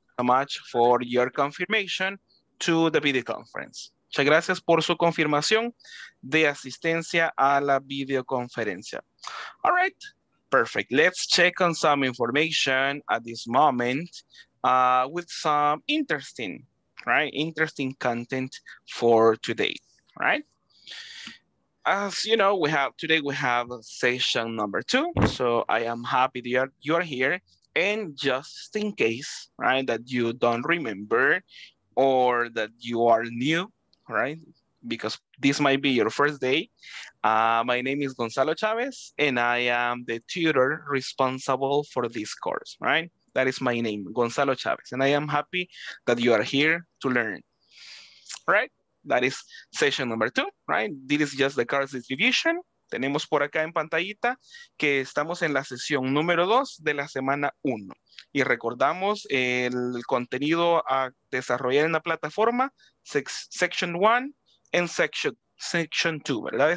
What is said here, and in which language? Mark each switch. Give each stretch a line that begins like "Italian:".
English: So much for your confirmation to the video conference.
Spanish: Muchas gracias por su confirmación de asistencia a la videoconferencia.
English: All right. Perfect. Let's check on some information at this moment with some interesting, right? Interesting content for today, right? As you know, we have today we have session number two. So I am happy that you're here. And just in case, right, that you don't remember or that you are new, right? Because this might be your first day. My name is Gonzalo Chavez, and I am the tutor responsible for this course, right? That is my name, Gonzalo Chavez, and I am happy that you are here to learn, right? That is session number two, right? This is just the course distribution.
Spanish: Tenemos por acá en pantallita que estamos en la sesión número 2 de la semana 1. Y recordamos el contenido a desarrollar en la plataforma, section 1 en section 2, ¿verdad?